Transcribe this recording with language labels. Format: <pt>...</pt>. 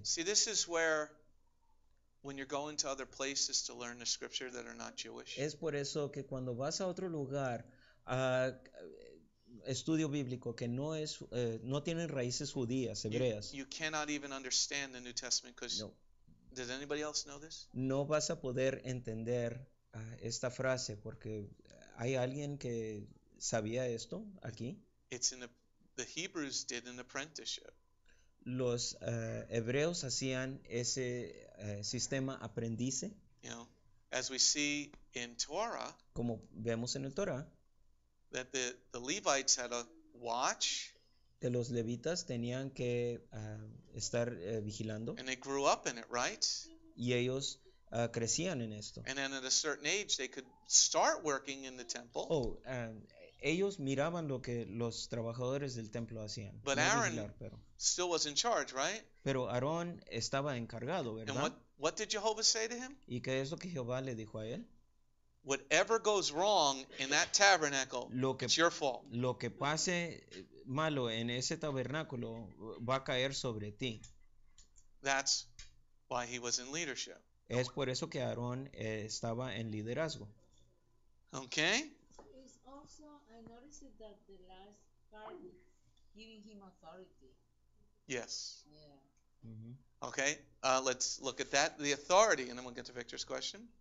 <en>See, this is where when you're going to other places to learn the scripture that are not Jewish.</en> <es>Es por eso que cuando vas a otro lugar a estudio bíblico que no es no tienen raíces judías, hebreas.</es> <en>You cannot even understand the New Testament because</en> <es>no.</es> <en>Does anybody else know this?</en> <es>No vas a poder entender esta frase porque hay alguien que sabía esto aquí.</es> <en>It's in the Hebrews did an apprenticeship.</en> <es>Los hebreos hacían ese sistema aprendice.</es> <en>You know, as we see in Torah,</en> <es>como vemos en el Torah,</es> <en>that the Levites had a watch,</en> <es>que los levitas tenían que estar vigilando,</es> <en>and they grew up in it, right?</en> <es>Y ellos crecían en esto.</es> <en>And then at a certain age, they could start working in the temple.</en> <es>Oh, ellos miraban lo que los trabajadores del templo hacían.</es> <en>But</en> <es>no</es> <en>Aaron</en> <es>vigilar, pero</es> <en>still was in charge, right?</en> <es>Pero Aarón estaba encargado, ¿verdad?</es> <en>And what did Jehovah say to him?</en> <es>¿Y qué es lo que Jehová le dijo a él?</es> <en>Whatever goes wrong in that tabernacle, it's your fault.</en> <es>Lo que pase malo en ese tabernáculo va a caer sobre ti.</es> <en>That's why he was in leadership.</en> <es>Es por eso que Aarón estaba en liderazgo.</es> <en>Okay. It's also, I noticed that the last part giving him authority. Yes. Yeah. Mm-hmm. Okay. Let's look at that. The authority, and then we'll get to Victor's question.</en>